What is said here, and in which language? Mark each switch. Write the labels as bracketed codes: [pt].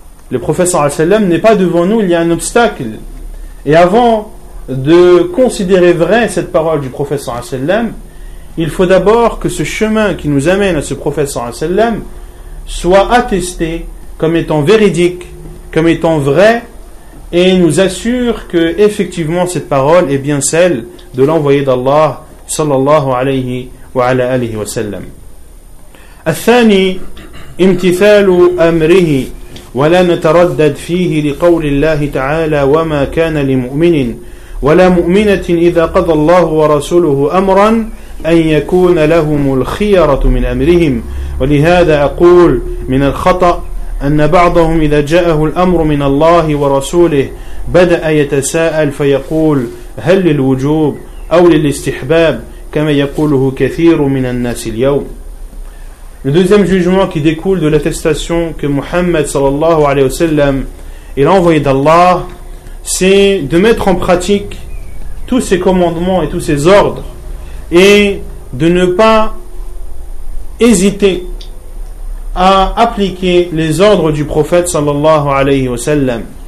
[fr] Le prophète sallallahu alayhi wa sallam n'est pas devant nous, il y a un obstacle. Et avant de considérer vraie cette parole du prophète sallallahu alayhi wa sallam, il faut d'abord que ce chemin qui nous amène à ce prophète sallallahu alayhi wa sallam soit attesté comme étant véridique, comme étant vrai, et nous assure que effectivement cette parole est bien celle de l'envoyé d'Allah sallallahu alayhi wa ala alihi wa sallam. [ar] الثاني امتثال امره ولا نتردد فيه لقول الله تعالى وما كان لمؤمن ولا مؤمنة اذا قضى الله ورسوله امرا أن يكون لهم الخيرة من أمرهم. ولهذا أقول من الخطأ أن بعضهم إذا جاءه الأمر من الله ورسوله بدأ يتساءل فيقول هل للوجوب أو للاستحباب كما يقوله كثير من الناس اليوم. [fr] Le deuxième jugement qui découle de l'attestation que Muhammad sallallahu alayhi wa sallam est l'envoyé d'Allah, c'est de mettre en pratique tous ses commandements et tous ses ordres, et de ne pas hésiter à appliquer les ordres du prophète sallallahu alayhi wa sallam.